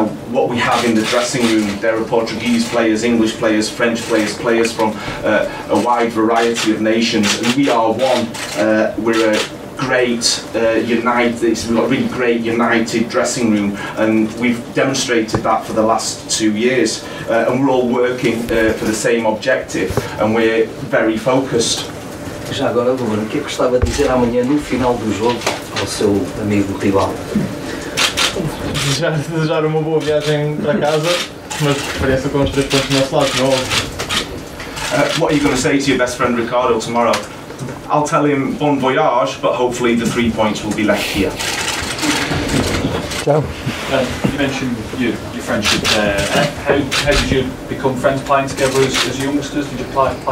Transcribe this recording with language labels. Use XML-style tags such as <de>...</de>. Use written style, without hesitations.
<en>What we have in the dressing room, there are Portuguese players, English players, French players, players from a wide variety of nations, and we are one. We're a great united, we've got a really great united dressing room, and we've demonstrated that for the last 2 years. And we're all working for the same objective, and we're very focused.</en> <pt>Já agora, Ruben, o que é que gostava de dizer amanhã no final do jogo ao seu amigo rival? Desejar uma boa viagem para casa, mas preferência com os 3 pontos do nosso lado, não é?</pt> <en>What are you going to say to your best friend Ricardo tomorrow? I'll tell him bon voyage, but hopefully the 3 points will be left here.</en> <it>Ciao.</it> <en>You mentioned your friendship there. How did you become friends playing together as youngsters? Did you play?</en>